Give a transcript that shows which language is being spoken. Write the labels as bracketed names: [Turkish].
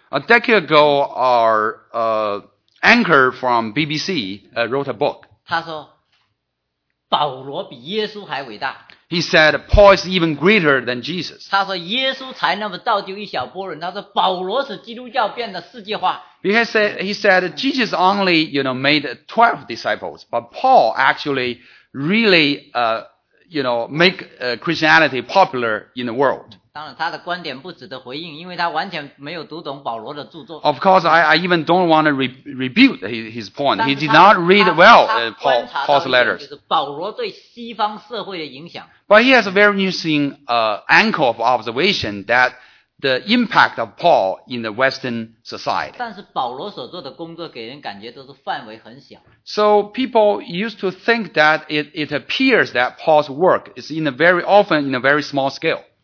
[English] A decade ago, our anchor from BBC wrote a book. [Chinese] 他说保罗比耶稣还伟大。 [English] He said, Paul is even greater than Jesus. [Chinese] 他说耶稣才那么造就一小波人，他说保罗使基督教变得世界化。 [English] Because he said, Jesus only, made 12 disciples, but Paul actually really, make Christianity popular in the world. [Chinese] 当然他的观点不值得回应，因为他完全没有读懂保罗的著作。 [English] Of course, I even don't want to rebuke his point. He did not read well Paul's letters. [Chinese] 保罗对西方社会的影响。 [English] But he has a very interesting angle of observation that the impact of Paul in the Western society. [Chinese] 但是保罗所做的工作给人感觉都是范围很小。 [English] So people used to think that it appears that Paul's work is often in a very small scale.